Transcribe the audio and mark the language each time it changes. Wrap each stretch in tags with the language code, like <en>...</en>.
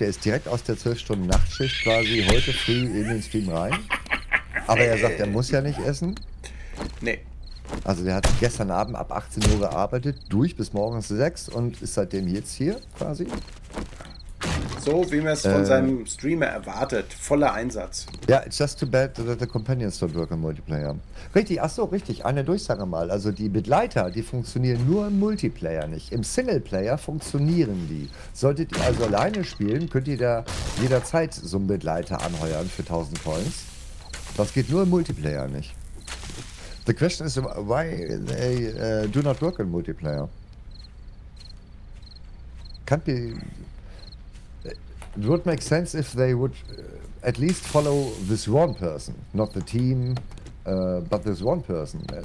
<de>Der ist direkt aus der 12-Stunden Nachtschicht quasi heute früh in den Stream rein. Aber er sagt, er muss ja nicht essen. Nee. Also der hat gestern Abend ab 18 Uhr gearbeitet, durch bis morgens 6 und ist seitdem jetzt hier quasi. So, wie man es von seinem Streamer erwartet. Voller Einsatz.</de> <en>Ja, yeah, it's just too bad that the companions don't work in Multiplayer.</en> <de>Richtig, ach so, richtig. Eine Durchsage mal. Also die Begleiter, die funktionieren nur im Multiplayer nicht. Im Singleplayer funktionieren die. Solltet ihr also alleine spielen, könnt ihr da jederzeit so einen Begleiter anheuern für 1000 Coins. Das geht nur im Multiplayer nicht.</de> <en>The question is, why they do not work in Multiplayer? Can't be... It would make sense if they would at least follow this one person, not the team, but this one person.</en>